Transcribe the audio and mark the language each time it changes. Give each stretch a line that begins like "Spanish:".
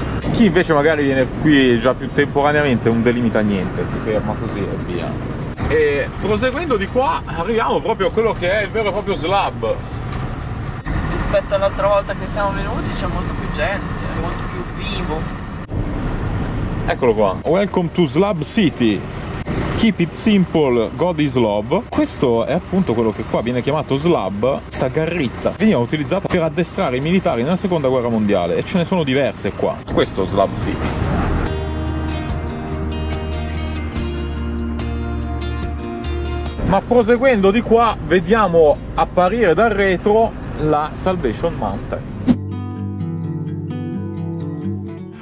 Italian: Chi invece magari viene qui già più temporaneamente non delimita niente, si ferma così e via. E proseguendo di qua arriviamo proprio a quello che è il vero e proprio slab. Rispetto all'altra volta che siamo venuti c'è molto più gente, è molto più vivo. Eccolo qua,
English: welcome to Slab City. Keep it simple, God is love.
Italian: Questo è appunto quello che qua viene chiamato slab. Sta garritta veniva utilizzata per addestrare i militari nella seconda guerra mondiale e ce ne sono diverse qua. Questo slab sì. Ma proseguendo di qua vediamo apparire dal retro la Salvation Mountain.